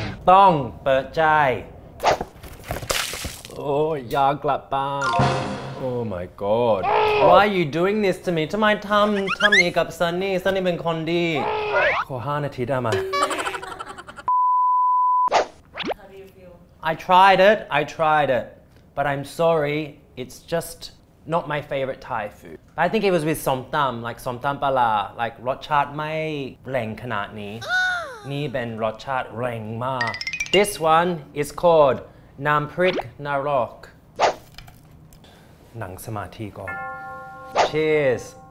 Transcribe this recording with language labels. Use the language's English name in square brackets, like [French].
[Thai] ต้องเปิดใจโอ้ยากกลับบ้าน [English] Oh my god Why are you doing this to me [Thai] ทำไมทำนี้กับซันนี่ซันนี่เป็นคนดีขอ5นาทีได้ไหม [English] How do you feel I tried it but I'm sorry it's justNot my favorite Thai food. I think it was with som tam, like som tam pala. [Thai] Like, รสชาติไม่แรงขนาดนี้นี่เป็นรสชาติแรงมาก [English] This one is called nam prik narok. [Thai] นั่งสมาธิก่อน [English] Cheers.